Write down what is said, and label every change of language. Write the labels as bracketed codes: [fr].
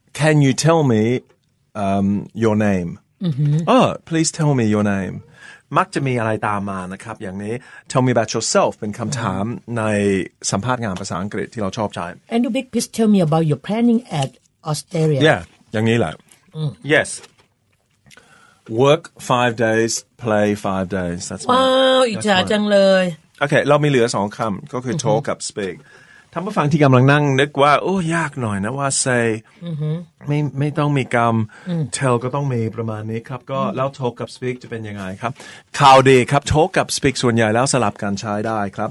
[en] can you tell me your name [th] please tell me your namemักจะมีอะไรตามมานะครับอย่างนี้ [en] Tell me about yourself [th] เป็นคำถามในสัมภาษณ์งานภาษาอังกฤษที่เราชอบใช้ [en] Andrew Big please tell me about your planning at Australia Yeah อย่างนี้แหละ Yes Work 5 days play 5 days That's [th] wow อิจฉาจังเลย Okay เรามีเหลือ2คำก็คือ talk กับ speak ท่านผู้ฟังที่กำลังนั่งนึกว่าโอ้ยากหน่อยนะว่า say ไม่ต้องมีกรรม tell ก็ต้องมีประมาณนี้ครับก็แล้ว talk กับ speak จะเป็นยังไงครับข่าวดีครับ talk กับ speak ส่วนใหญ่แล้วสลับกันใช้ได้ครับ